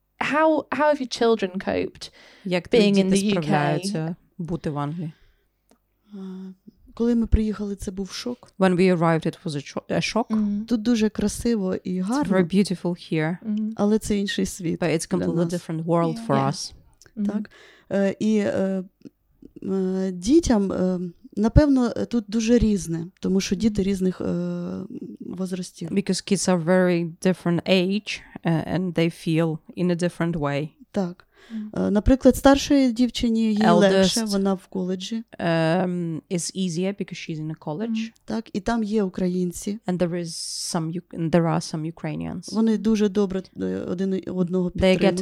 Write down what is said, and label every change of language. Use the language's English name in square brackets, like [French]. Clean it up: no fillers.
[English] How have your children coped being in the UK? [Ukrainian] Бути в Англії. Коли ми приїхали, це був шок. [English] When we arrived, it was a shock. Mm-hmm. [Ukrainian] Тут дуже красиво і гарно. [English] It's very beautiful here. [Ukrainian] Mm-hmm. Але це інший світ. [English] But it's completely [Ukrainian] для нас. [English] Different world yeah. for yeah. us. Mm-hmm. [Ukrainian] Так. І дітям, напевно, тут дуже різне, тому що діти різних возрастів. [English] Because kids are very different age and they feel in a different way. [Ukrainian] Так. Наприклад, старшій дівчині їй [English] Eldest, [Ukrainian] легше, вона в коледжі. [English] Is easier because she's in a college. Mm-hmm. [Ukrainian] Так, і там є українці. [English] And there are some Ukrainians. [Ukrainian] Вони дуже добре один одного підтримують.